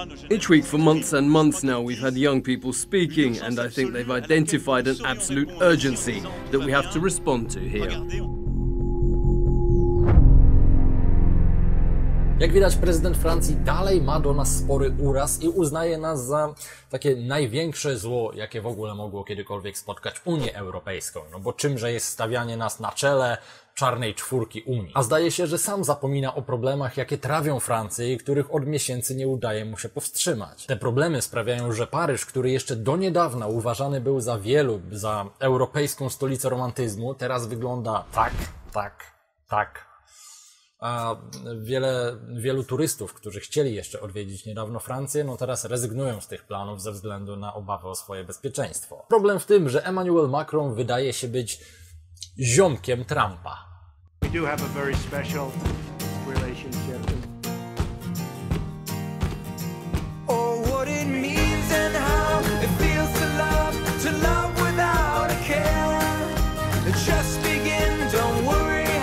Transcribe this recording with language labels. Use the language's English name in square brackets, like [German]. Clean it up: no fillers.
[English] Each week for months and months now we've had young people speaking and I think they've identified an absolute urgency that we have to respond to here. [Polish] Jak widać, prezydent Francji dalej ma do nas spory uraz i uznaje nas za takie największe zło, jakie w ogóle mogło kiedykolwiek spotkać Unię Europejską. No bo czymże jest stawianie nas na czele czarnej czwórki Unii? A zdaje się, że sam zapomina o problemach, jakie trawią Francję i których od miesięcy nie udaje mu się powstrzymać. Te problemy sprawiają, że Paryż, który jeszcze do niedawna uważany był za wielu, za europejską stolicę romantyzmu, teraz wygląda tak, tak, tak. A wielu turystów, którzy chcieli jeszcze odwiedzić niedawno Francję, no teraz rezygnują z tych planów ze względu na obawy o swoje bezpieczeństwo. Problem w tym, że Emmanuel Macron wydaje się być ziomkiem Trumpa. [English] We do have a very special relationship. Oh, what it means and how it feels to love without a care. Just begin, don't worry.